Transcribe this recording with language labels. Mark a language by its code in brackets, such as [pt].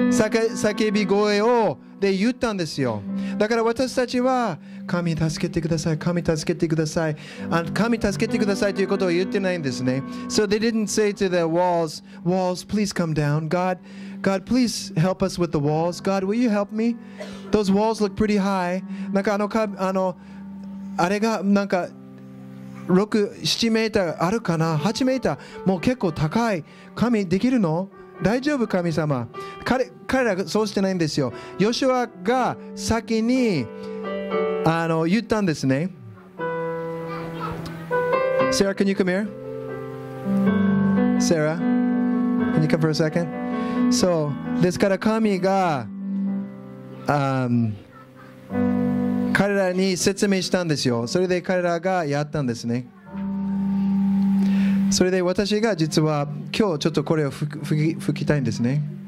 [ja] 叫び声をで言ったんですよ。だから私たちは、神助けてください、神助けてください、神助けてくださいということを言ってないんですね。 [en] So they didn't say to the walls, please come down. God, please help us with the walls. God, will you help me? Those walls look pretty high. [ja] なんかあのあれがなんか6、7メーターあるかな、8メーターもう結構高い。神できるの？大丈夫、神様。彼らがそうしてないんですよ。ヨシュアが先にあの言ったんですね。 [en] Sarah, can you come here? Sarah, can you come for a second? [ja] そうですから神が彼らに説明したんですよ。それで彼らがやったんですね。それで私が実は今日ちょっとこれを吹きたいんですね。